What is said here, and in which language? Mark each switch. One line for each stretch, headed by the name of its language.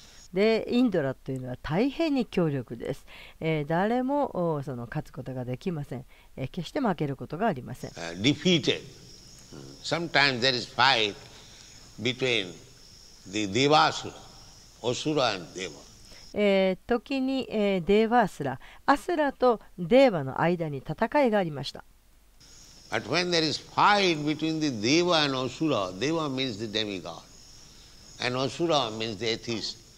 Japanese: で、インドラというのは大変に強力です。誰もその勝つことができません。決して負けることがありません。
English: Defeated. Sometimes there is fight between the Devasura, Asura and Deva.
Japanese: 時に、デーバースラ、アスラとデーバの間に戦いがありました。
English: But when there is fight between the Deva and Asura, Deva means the demigod, and Asura means the atheist.